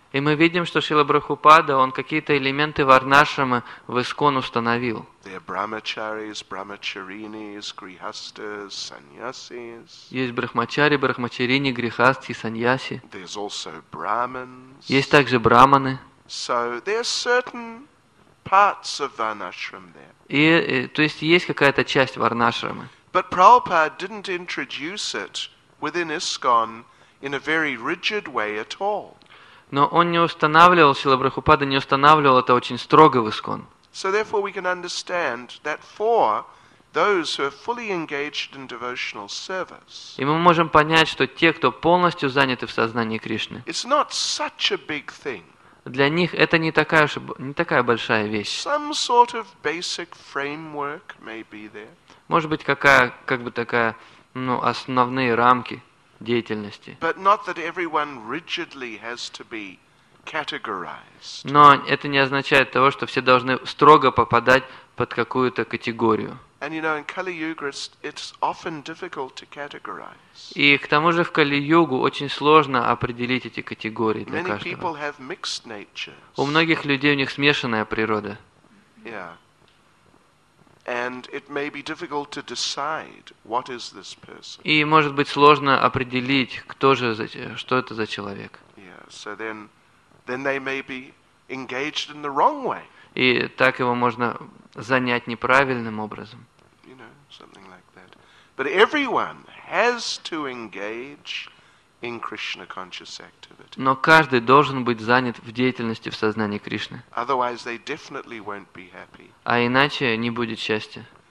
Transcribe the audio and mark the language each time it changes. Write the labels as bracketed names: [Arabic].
[Russian] И мы видим, что Шрила Прабхупада, он какие-то элементы Варнашрама в ИСКОН установил. [English] There are brahmacharis, brahmacharinis, grihasthas, sannyasis. [Russian] Есть брахмачари, брахмачарини, грихасти, саньяси. [English] There's also brahmins. [Russian] Есть также брахманы. [English] So there are certain parts of Varnashram there. [Russian] И то есть есть какая-то часть Варнашрама. [English] But Prabhupada didn't introduce it within ISKCON in a very rigid way at all. [Russian] Но он не устанавливал, Шрила Прабхупада не устанавливал это очень строго в ИСКОН. [English] So therefore we can understand that for those who are fully engaged in devotional service. [Russian] И мы можем понять, что те, кто полностью заняты в сознании Кришны. [English] It's not such a big thing. [Russian] Для них это не такая большая вещь. [English] Some sort of basic framework may be there. [Russian] Может быть, какая, как бы такая ну, основные рамки деятельности. [English] But not that everyone rigidly has to be categorized. [Russian] Но это не означает того, что все должны строго попадать под какую-то категорию. [English] And you know, in Kali-Yuga, it's often difficult to categorize. [Russian] И к тому же в Кали-Югу очень сложно определить эти категории для каждого. [English] Many people have mixed natures. [Russian] У многих людей у них смешанная природа. [English] Yeah. And it may be difficult to decide what is this person. [Russian] И может быть сложно определить, кто же за, что это за человек. [English] Yeah. So then they may be engaged in the wrong way. [Russian] И так его можно занять неправильным образом. [English] You know, something like that. But everyone has to engage in Krishna conscious activity. [Russian] Но каждый должен быть занят в деятельности в сознании Кришны. [English] Otherwise they definitely won't be happy. [Russian] А иначе не будет счастья.